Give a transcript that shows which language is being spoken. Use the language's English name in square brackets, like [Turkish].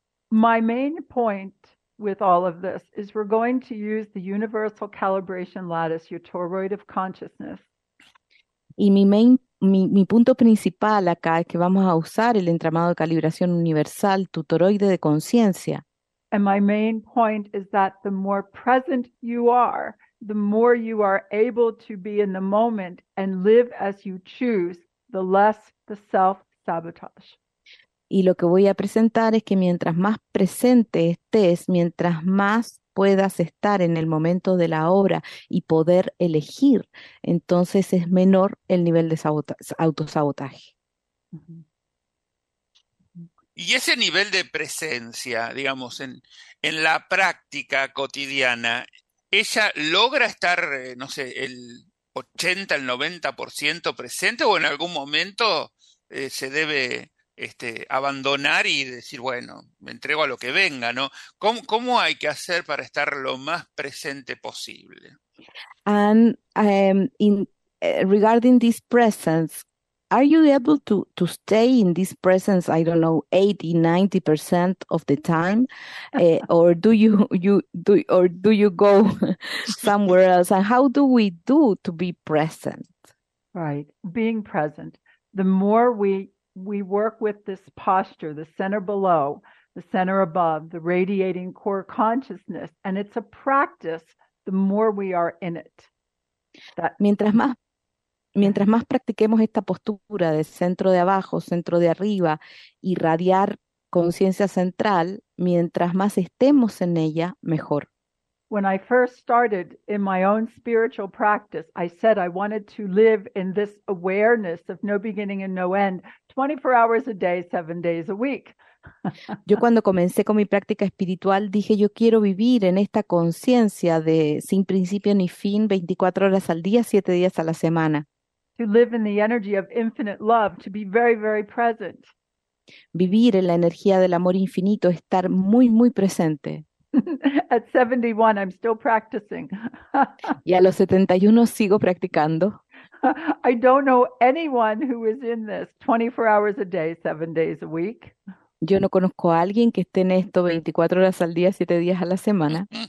[English] My main point with all of this is we're going to use the universal calibration lattice, your toroid of consciousness. [Spanish] Y mi punto principal acá es que vamos a usar el entramado de calibración universal, tu toroide de conciencia. [English] And my main point is that the more present you are, the more you are able to be in the moment and live as you choose, the less the self-sabotage. [Spanish] Y lo que voy a presentar es que mientras más presente estés, mientras más puedas estar en el momento de la hora y poder elegir, entonces es menor el nivel de autosabotaje. Y ese nivel de presencia, digamos, en la práctica cotidiana, ¿ella logra estar, no sé, el 80, el 90% presente o en algún momento se debe abandonar y decir, bueno, me entrego a lo que venga, ¿no? ¿Cómo hay que hacer para estar lo más presente posible? [English] And regarding this presence, are you able to stay in this presence, I don't know, 80, 90% of the time? Or do you go somewhere else? And how do we do to be present? Right. Being present. The more we work with this posture, the center below, the center above, the radiating core consciousness, and it's a practice, the more we are in it. [Spanish] Mientras más practiquemos esta postura de centro de abajo, centro de arriba, irradiar conciencia central, mientras más estemos en ella, mejor. [English] When I first started in my own spiritual practice, I said I wanted to live in this awareness of no beginning and no end, 24 hours a day, 7 days a week. [Spanish] Yo cuando comencé con mi práctica espiritual, dije yo quiero vivir en esta conciencia de sin principio ni fin, 24 horas al día, 7 días a la semana. [English] To live in the energy of infinite love, to be very, very present. [Spanish] Vivir en la energía del amor infinito, estar muy, muy presente. [English] At 71, I'm still practicing. [Spanish] Y a los 71 sigo practicando. [English] I don't know anyone who is in this 24 hours a day, 7 days a week. [Spanish] Yo no conozco a alguien que esté en esto 24 horas al día, 7 días a la semana.